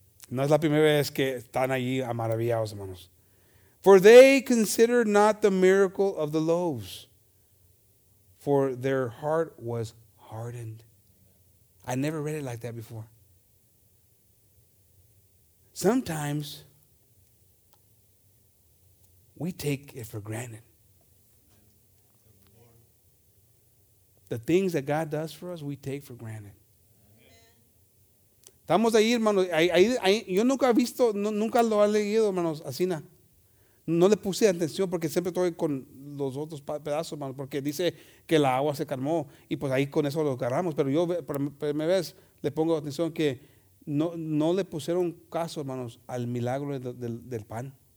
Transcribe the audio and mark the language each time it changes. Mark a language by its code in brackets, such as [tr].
[es] No es la primera vez que están allí a maravillados, hermanos. [en] For they considered not the miracle of the loaves, for their heart was hardened. I never read it like that before. Sometimes we take it for granted. The things that God does for us, we take for granted. [es] Estamos ahí, hermanos. Yo nunca he visto, nunca lo he leído, hermanos, así nada. No le puse atención porque siempre estoy con los otros pedazos, hermanos, porque dice que la agua se calmó y pues ahí con eso lo agarramos. Pero yo, por primera vez, le pongo atención que no le pusieron caso, hermanos, al milagro del pan.